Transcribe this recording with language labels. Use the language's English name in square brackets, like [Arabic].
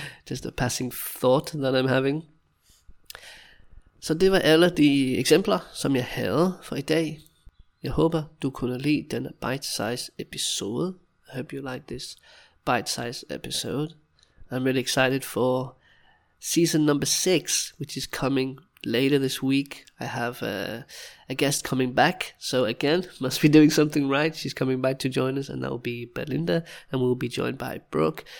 [English] Just a passing thought that I'm having. [Danish] Så det var alle de eksempler, som jeg havde for i dag. Jeg håber, du kunne lide denne bite-size episode. [English] I hope you like this bite-size episode. I'm really excited for season number 6, which is coming later this week. I have a guest coming back. So again, must be doing something right. She's coming back to join us, and that will be Belinda. And we'll be joined by Brooke.